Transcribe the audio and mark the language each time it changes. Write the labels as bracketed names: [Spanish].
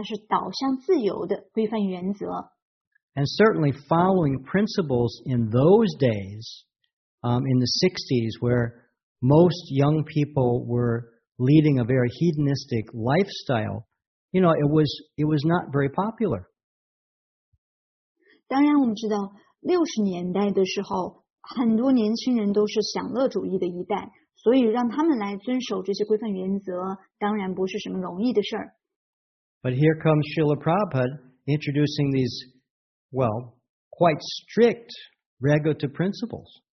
[Chinese] 他说这四项规范原则，它是导向自由的规范原则。 [English] And certainly following principles in those days, in the 60s, where most young people were leading a very hedonistic lifestyle, you know, it was not very popular. [Chinese] 当然我们知道, 60年代的时候, 很多年轻人都是享乐主义的一代, 所以让他们来遵守这些规范原则, 当然不是什么容易的事儿。 [English] But here comes Srila Prabhupada introducing these well, quite strict regulative principles.